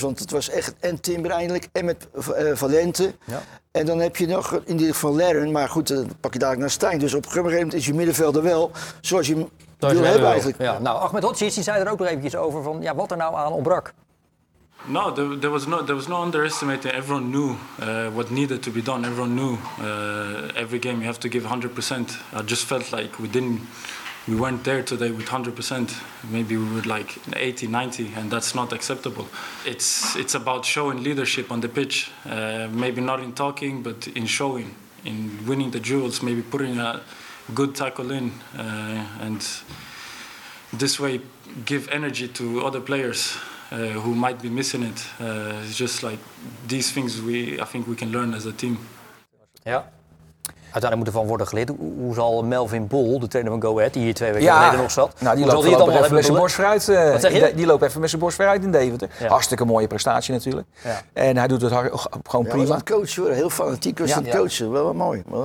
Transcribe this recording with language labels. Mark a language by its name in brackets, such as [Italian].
[Dutch] Want het was echt en Timber eindelijk en met Valente. Ja. En dan heb je nog in ieder geval Lerren. Maar goed, dan pak je dadelijk naar Stijn. Dus op een gegeven moment is je middenveld er wel zoals je hem wil hebben eigenlijk. Ja. Nou, Ahmed Hodžić, die zei er ook nog eventjes over van ja, wat er nou aan ontbrak. [English] No, there was no underestimating. Everyone knew what needed to be done. Everyone knew every game you have to give 100%. I just felt like we weren't there today with 100%. Maybe we were like 80, 90, and that's not acceptable. It's about showing leadership on the pitch. Maybe not in talking, but in showing, in winning the duels, maybe putting a good tackle in, and this way give energy to other players. Who might be missing it. It's just like these things I think we can learn as a team. [Dutch] Ja. Uiteindelijk moet er van worden geleerd. Hoe zal Melvin Bol, de trainer van Go Ahead, die hier 2 weken geleden nog zat. Nou, die loopt even met zijn borst vooruit. Wat zeg je? Die loopt even met zijn borst vooruit in Deventer. Ja. Hartstikke mooie prestatie natuurlijk. Ja. En hij doet het gewoon prima. Ja, een coach hoor. Heel fanatiek was een coach. Wel mooi.